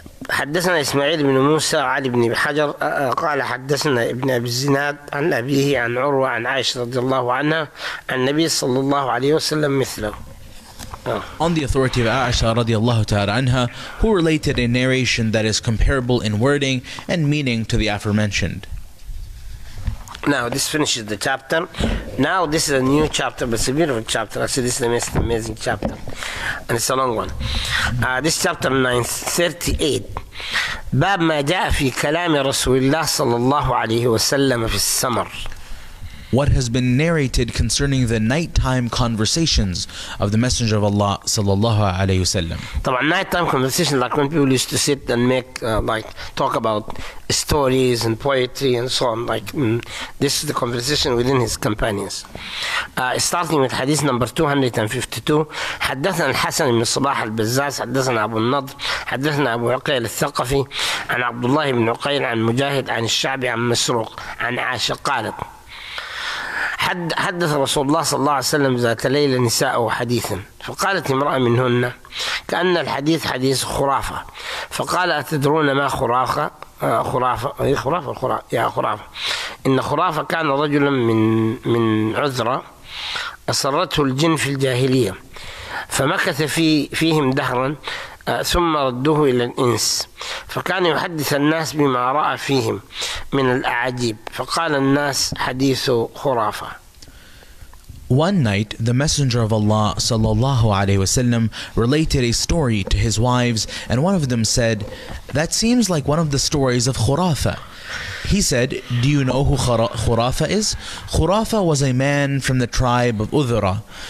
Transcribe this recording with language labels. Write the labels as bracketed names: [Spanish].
[Arabic] حدثنا إسماعيل بن موسى علي بن حجر قال حدثنا ابن أبي الزناد عن أبيه عن عروة عن عائشة رضي الله عنها عن النبي صلى الله عليه وسلم مثله. [English] On the authority of Aisha radiallahu ta'ala anha, who related a narration that is comparable in wording and meaning to the aforementioned. Now this finishes the chapter. Now this is a new chapter, but it's a beautiful chapter. I say this is the most amazing chapter, and it's a long one. This chapter 938. [Arabic] باب ما جاء في كلام رسول الله صلى الله عليه وسلم في السمر. [English] What has been narrated concerning the nighttime conversations of the Messenger of Allah sallallahu alayhi wa sallam. طبعا nighttime conversations like when people used to sit and make like talk about stories and poetry and so on, like this is the conversation within his companions. Starting with hadith number 252, [Arabic] حدثنا الحسن بن صباح البزاز حدثنا أبو النضر حدثنا أبو عقيل الثقفي عن عبد الله بن عقيل عن مجاهد عن الشعبي عن مسروق عن عائشة قالت حدث رسول الله صلى الله عليه وسلم ذات ليلة نساءه حديثا فقالت امرأة منهن كأن الحديث حديث خرافة فقال أتدرون ما خرافة خرافة أي خرافة خرافة يا خرافة إن خرافة كان رجلا من عذرة أسرته الجن في الجاهلية فمكث فيهم دهرا ثم ردوه إلى الإنس فكان يحدث الناس بما رأى فيهم من الأعاجيب فقال الناس حديث خرافة. [English] One night, the Messenger of Allah sallallahu alayhi wasallam related a story to his wives, and one of them said, "That seems like one of the stories of Khurafa." He said, "Do you know who Khurafa is? Khurafa was a man from the tribe of Udhra.